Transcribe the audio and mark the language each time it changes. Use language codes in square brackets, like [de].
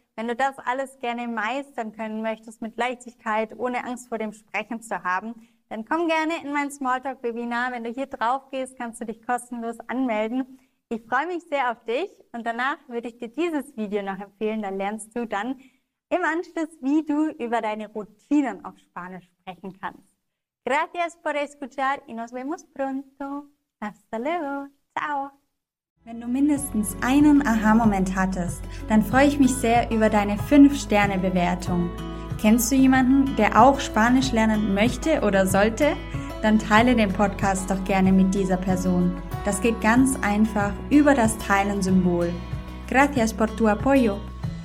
[de] Wenn du das alles gerne meistern können möchtest, mit Leichtigkeit, ohne Angst vor dem Sprechen zu haben, dann komm gerne in mein Smalltalk-Webinar. Wenn du hier drauf gehst, kannst du dich kostenlos anmelden. Ich freue mich sehr auf dich und danach würde ich dir dieses Video noch empfehlen. Dann lernst du dann im Anschluss, wie du über deine Routinen auf Spanisch sprechen kannst. [es] Gracias por escuchar y nos vemos pronto. Hasta luego. Ciao. [de] Wenn du mindestens einen Aha-Moment hattest, dann freue ich mich sehr über deine 5-Sterne-Bewertung. Kennst du jemanden, der auch Spanisch lernen möchte oder sollte? dann teile den Podcast doch gerne mit dieser Person. Das geht ganz einfach über das Teilen-Symbol. [es] Gracias por tu apoyo.